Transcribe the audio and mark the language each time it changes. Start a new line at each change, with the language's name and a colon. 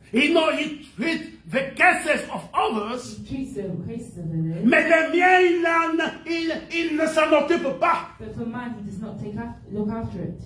English: He knows he treats the cases of others. He treats the cases of others.
French: Mais le mien, il ne s'en occupe pas.
English: But for mine, he does not look after it.